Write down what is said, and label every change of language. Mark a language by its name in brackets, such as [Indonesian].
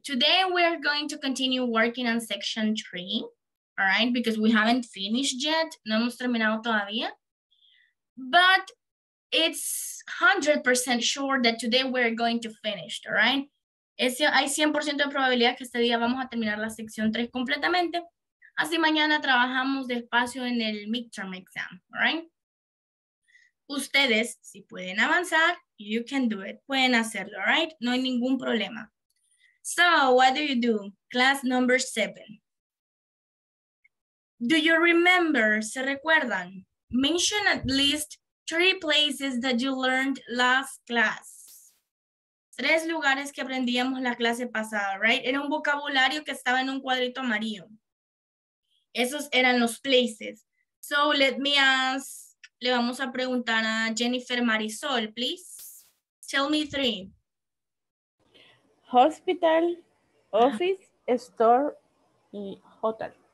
[English] Today, we're going to continue working on section 3, all right? Because we haven't finished yet. [Spanish] No hemos terminado todavía. [English] But it's 100% sure that today we're going to finish, all right? [Spanish] Hay 100% de probabilidad que este día vamos a terminar la sección 3 completamente. Así mañana trabajamos despacio en el midterm exam, [English] all right? [Spanish] Ustedes, si pueden avanzar, [English] you can do it. [Spanish] Pueden hacerlo, [English] all right? [Spanish] No hay ningún problema. [English] So, what do you do? Class number 7. Do you remember? [Spanish] ¿Se recuerdan? [English] Mention at least 3 places that you learned last class. [Spanish] 3 lugares que aprendíamos la clase pasada, right? Era un vocabulario que estaba en un cuadrito amarillo. Esos eran los places. [English] So let me ask, [Spanish] le vamos a preguntar a Jennifer Marisol, please. [English] Tell me 3. Hospital, office, store, y hotel.